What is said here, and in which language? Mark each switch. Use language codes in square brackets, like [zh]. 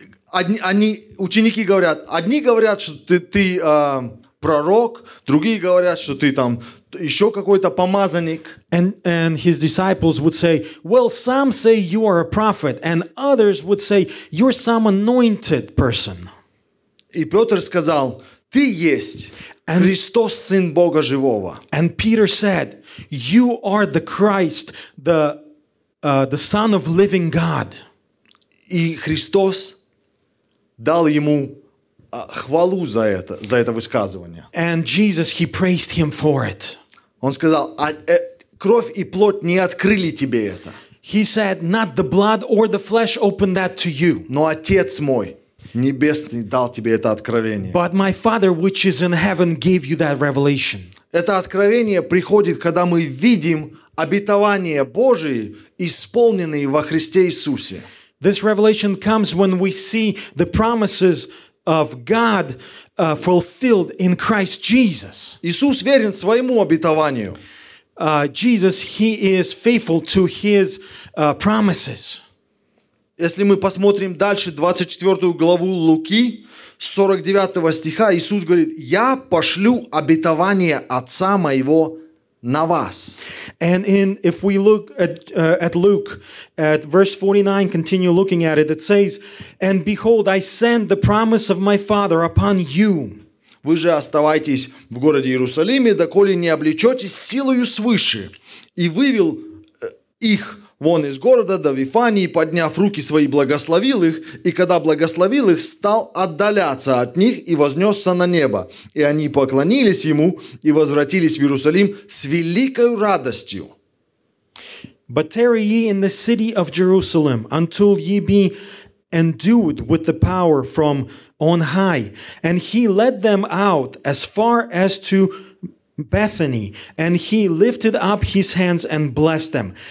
[ru] Они ученики говорят, одни говорят, что ты пророк, другие говорят, что ты там еще какой-то помазанник. [en] And his disciples would say, well, some say you are a prophet, and others would say you're some anointed person. [ru] И Петр сказал, ты есть Христос, Сын Бога Живого. [en] And Peter said, you are the Christ, the Son of Living God. [ru] И Христос дал ему хвалу за это высказывание. [en] And Jesus, he praised him for it. [ru] Он сказал, кровь и плоть не открыли тебе это. [en] He said, not the blood or the flesh opened that to you. [ru] Но Отец мой небесный дал тебе это откровение. [en] But my Father, which is in heaven, gave you that revelation. [ru] Это откровение приходит, когда мы видим обетование Божие, исполненное во Христе Иисусе. [en] This revelation comes when we see the promises of God fulfilled in Christ Jesus. [ru] Иисус верен своему обетованию. [en] Jesus, he is faithful to his promises. [ru] Если мы посмотрим дальше 24 главу Луки, 49 стиха, Иисус говорит: «Я пошлю обетование Отца моего на вас». [en] And in, if we look at Luke, at verse 49, continue looking at it, it says, «And behold, I send the promise of my Father upon you». [ru] Вы же оставайтесь в городе Иерусалиме, доколе не облечетесь силою свыше. И вывел их вон из города до Вифании, подняв руки свои, благословил их. И когда благословил их, стал отдаляться от них и вознесся на небо. И они поклонились ему и возвратились в Иерусалим с великою радостью. [en] But tarry ye in the city of Jerusalem until ye be endued with the power from on high, and he led them out as far as to Bethany, and he lifted up his hands and blessed them.